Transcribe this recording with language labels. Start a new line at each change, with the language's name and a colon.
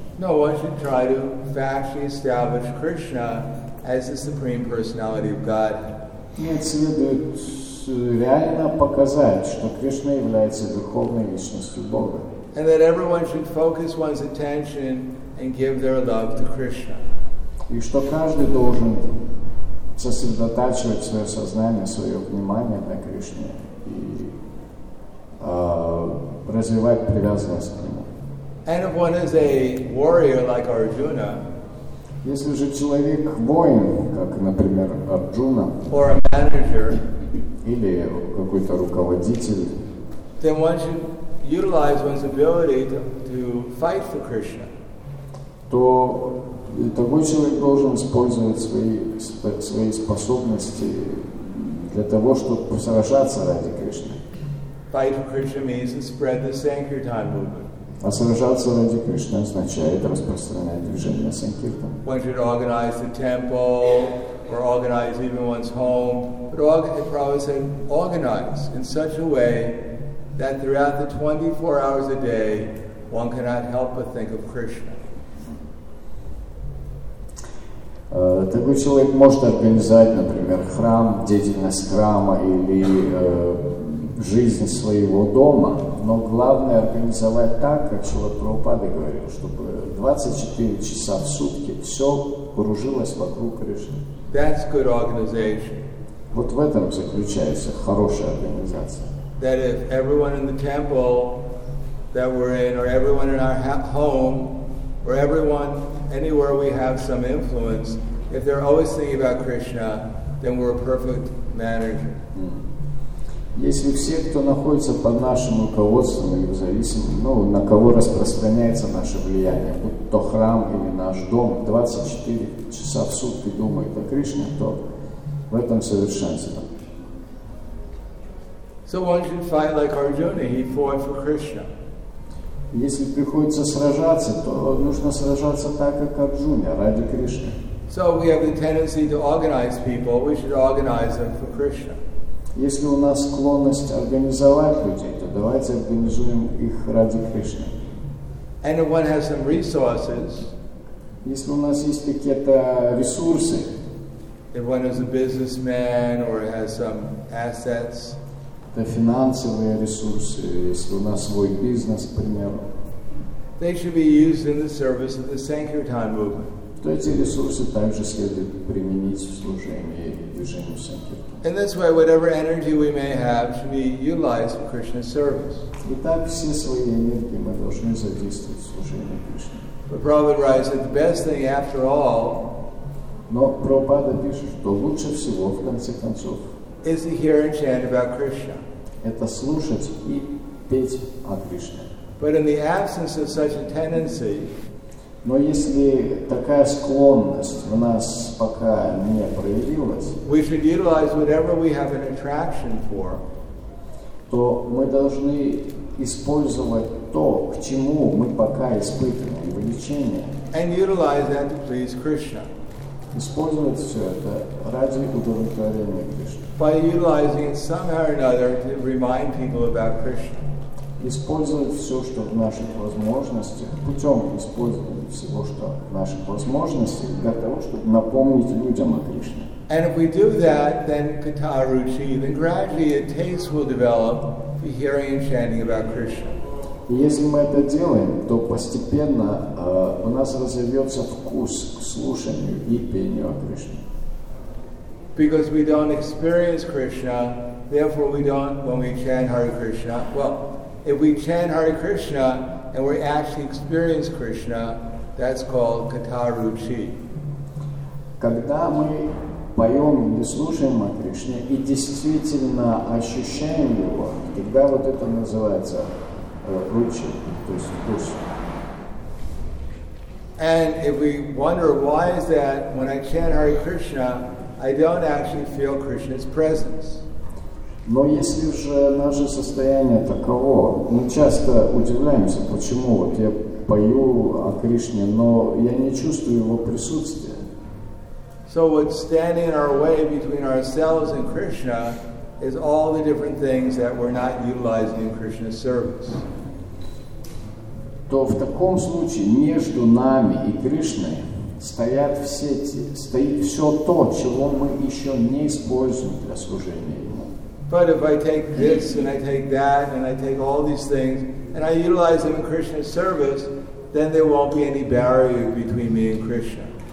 English: No, one should try to factually establish Krishna as the Supreme Personality of Godhead.
Russian: Нет, следует реально показать, что Кришна является Верховной Личностью Бога.
English: And that everyone should focus one's attention and give their love to Krishna.
Russian: И что каждый должен сосредотачивать свое сознание, свое внимание на Кришне и развивать привязанность к Нему.
English: And if one is a warrior like Arjuna,
Russian: если же человек воин, как, например, Арджуна,
English: or a manager,
Russian: или какой-то руководитель,
English: then one should utilize one's ability to fight for Krishna.
Russian: То такой человек должен использовать свои способности для того, чтобы сражаться ради Кришны.
English: Fight for Krishna means to spread the Sankirtan movement.
Russian: А сражаться ради Кришны означает распространять движение Санкиртан.
English: One should organize the temple or organize even one's home. But Prabhupada said, organize in such a way that throughout the 24 hours a day one cannot help but think of Krishna.
Russian: Такой человек может организовать, например, храм, деятельность храма или жизнь своего дома, но главное организовать так, как Шрила Прабхупада говорил, чтобы 24 часа в сутки все кружилось вокруг Кришны.
English: That's good organization.
Russian: Вот в этом заключается хорошая организация.
English: That if everyone in the temple that we're in, or everyone in our home, or everyone anywhere we have some influence, if they're always thinking about Krishna, then we're a perfect manager.
Russian: Если все, кто находится под нашим руководством, или зависим, ну, на кого распространяется наше влияние, будь то храм или наш дом, 24 часа в сутки думает о Кришне, то в этом совершенство.
English: So one should fight like Arjuna, he fought for Krishna.
Russian: Если приходится сражаться, то нужно сражаться так, как Арджуна, ради Кришны.
English: So we have the tendency to organize people, we should organize them for Krishna.
Russian: Если у нас склонность организовать людей, то давайте организуем их ради Кришны.
English: And if one has some resources,
Russian: если у нас есть какие-то ресурсы,
English: if one is a businessman or has some assets,
Russian: это финансовые ресурсы, если у нас свой бизнес, к примеру,
English: they should be used in the service of the Sankirtan movement.
Russian: То эти ресурсы также следует применить в служении движению Санкиртан.
English: And that's why whatever energy we may have should be utilized for Krishna's service.
Russian: Итак, все свои энергии мы должны задействовать в служении Кришне.
English: But Prabhupada writes that the best thing after all,
Russian: но Прабхупада пишет, что лучше всего, в конце концов,
English: is to hear and chant about Krishna.
Russian: Это слушать и петь о Кришне.
English: But in the absence of such a tendency,
Russian: но если такая склонность в нас пока не проявилась,
English: we should utilize whatever we have an attraction for,
Russian: то мы должны использовать то, к чему мы пока испытываем влечение,
English: and utilize that to please Krishna.
Russian: Использовать все это ради удовлетворения Кришны.
English: By utilizing it somehow or another to remind people about Krishna.
Russian: Использовать все, что в наших возможностях, путем использования всего, что в наших возможностях, для того, чтобы напомнить людям о Кришне.
English: And if we do that, then katha ruchi, then gradually a taste will develop for hearing and chanting about Krishna.
Russian: И если мы это делаем, то постепенно у нас разовьется вкус к слушанию и пению о Кришне.
English: Because we don't experience Krishna, therefore we don't, when we chant Hare Krishna, well, if we chant Hare Krishna and we actually experience Krishna, that's called katha ruchi.
Russian: Когда мы поем или слушаем о Кришне и действительно ощущаем его, тогда вот это называется ruchi, то есть вкус.
English: And if we wonder why is that when I chant Hare Krishna, I don't actually feel Krishna's presence.
Russian: Но если же наше состояние таково, мы часто удивляемся, почему вот я пою о Кришне, но я не чувствую его присутствия.
English: So what's standing in our way between ourselves and Krishna is all the different things that we're not utilizing in Krishna's service.
Russian: То в таком случае между нами и Кришной стоит все то, чего мы еще не используем для служения.
English: But if I take this and I take that and I take all these things and I utilize them in Krishna's service, then there won't be any barrier between me and Krishna.